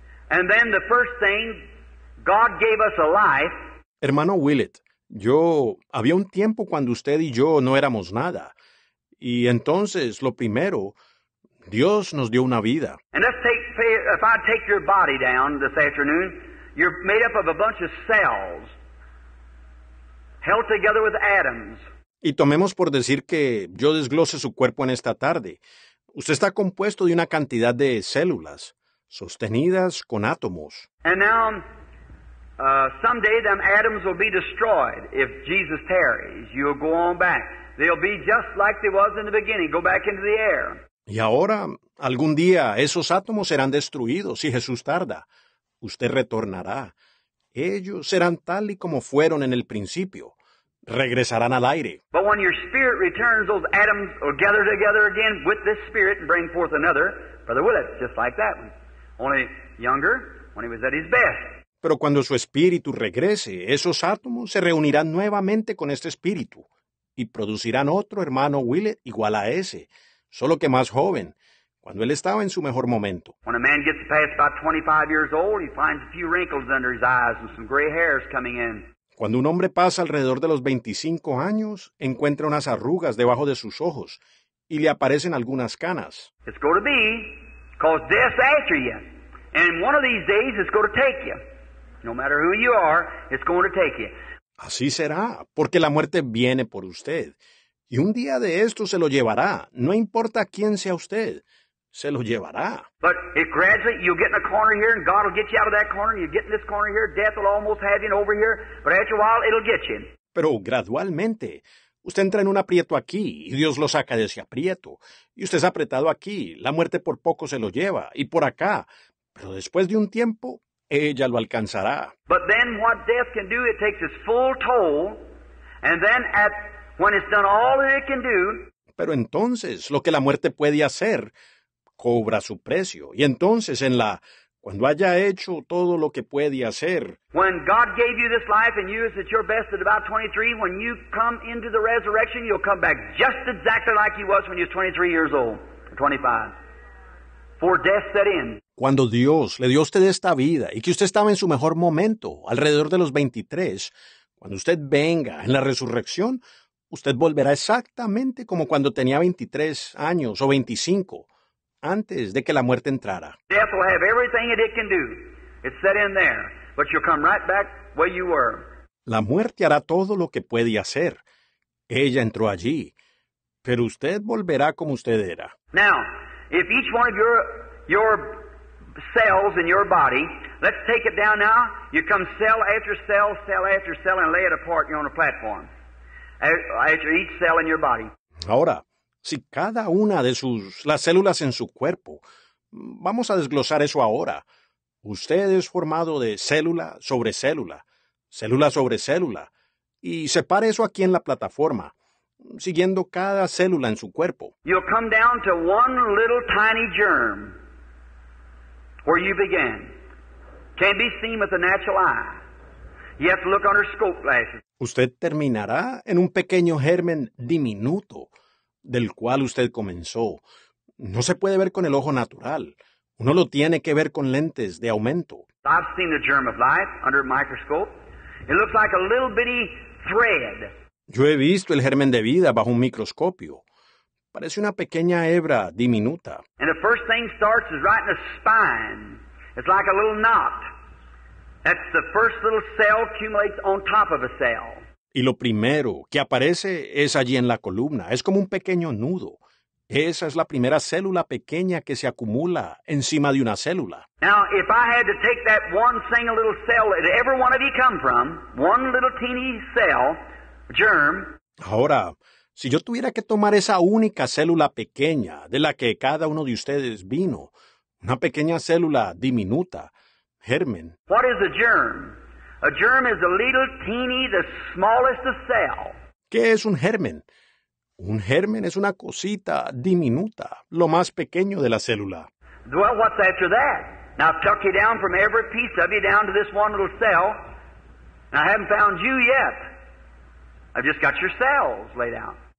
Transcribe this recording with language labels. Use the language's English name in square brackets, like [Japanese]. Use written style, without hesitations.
[English] And then the first thing, God gave us a life. [Spanish] Hermano Willett, yo había un tiempo cuando usted y yo no éramos nada. Y entonces, lo primero, Dios nos dio una vida. [English] And let's if I take your body down this afternoon, you're made up of a bunch of cells held together with atoms. [Spanish] Y tomemos por decir que yo desglose su cuerpo en esta tarde. Usted está compuesto de una cantidad de células sostenidas con átomos. [English] And now, someday them atoms will be destroyed if Jesus tarries. You'll go on back. They'll be just like they was in the beginning, go back into the air. [Spanish] Y ahora, algún día, esos átomos serán destruidos si Jesús tarda. Usted retornará. Ellos serán tal y como fueron en el principio. Regresarán al aire. [English] But when your spirit returns, those atoms will gather together again with this spirit and bring forth another, Brother Willett, just like that one. Only younger, when he was at his best. [Spanish] Pero cuando su espíritu regrese, esos átomos se reunirán nuevamente con este espíritu. Y producirán otro hermano Willett igual a ese, solo que más joven, cuando él estaba en su mejor momento. [English] When a man gets past about 25 years old, he finds a few wrinkles under his eyes and some gray hairs coming in. [Spanish] Cuando un hombre pasa alrededor de los 25 años, encuentra unas arrugas debajo de sus ojos y le aparecen algunas canas. [English] It's going to be because death's after you. And one of these days it's going to take you. No matter who you are, it's going to take you. [Spanish] Así será, porque la muerte viene por usted. Y un día de esto se lo llevará. No importa quién sea usted, se lo llevará. [English] But it gradually, you'll get in a corner here, and God will get you out of that corner, and you get in this corner here, death will almost have you over here, but after a while, it'll get you. [Spanish] Pero gradualmente, usted entra en un aprieto aquí, y Dios lo saca de ese aprieto. Y usted es apretado aquí, la muerte por poco se lo lleva, y por acá. Pero después de un tiempo, ella lo alcanzará. [English] But then what death can do, it takes its full toll, and then at when it's done all that it can do. [Spanish] Pero entonces, lo que la muerte puede hacer, cobra su precio. Y entonces, en la cuando haya hecho todo lo que puede hacer. [English] When God gave you this life and you is at your best at about 23, when you come into the resurrection, you'll come back just exactly like you was when you was 23 years old, or 25. For death set in. [Spanish] Cuando Dios le dio a usted esta vida y que usted estaba en su mejor momento, alrededor de los 23, cuando usted venga en la resurrección, usted volverá exactamente como cuando tenía 23 años o 25, antes de que la muerte entrara. [English] Death will have everything that it can do. It's set in there. But you'll come right back where you were. [Spanish] La muerte hará todo lo que puede hacer. Ella entró allí. Pero usted volverá como usted era. [English] Now, if each one of your cells in your body, let's take it down now. You come cell after cell, and lay it apart. You're on a platform. After each cell in your body. [Spanish] Ahora, Si cada una de sus las células en su cuerpo, vamos a desglosar eso ahora. Usted es formado de célula sobre célula, célula sobre célula, y separe eso aquí en la plataforma, siguiendo cada célula en su cuerpo. [English] You'll come down to one little tiny germ where you began. Can't be seen with the natural eye. You have to look under scope glasses. [Spanish] Usted terminará en un pequeño germen diminuto del cual usted comenzó. No se puede ver con el ojo natural. Uno lo tiene que ver con lentes de aumento. [English] I've seen the germ of life under a microscope. It looks like a little bitty thread. [Spanish] Yo he visto el germen de vida bajo un microscopio. Parece una pequeña hebra diminuta. [English] And the first thing starts is right in the spine. It's like a little knot. That's the first little cell accumulates on top of a cell. [Spanish] Y lo primero que aparece es allí en la columna. Es como un pequeño nudo. Esa es la primera célula pequeña que se acumula encima de una célula. [English] Now, if I had to take that one single little cell that every one of you come from, one little teeny cell, germ. [Spanish] Ahora, si yo tuviera que tomar esa única célula pequeña de la que cada uno de ustedes vino, una pequeña célula diminuta, germen. [English] What is a germ? A germ is a little teeny, the smallest of cell. [Spanish] ¿Qué es un germen? Un germen es una cosita diminuta, lo más pequeño de la célula. [English] Well, what's after that? Now I've tucked you down from every piece of you down to this one little cell, and I haven't found you yet. I've just got your cells laid out.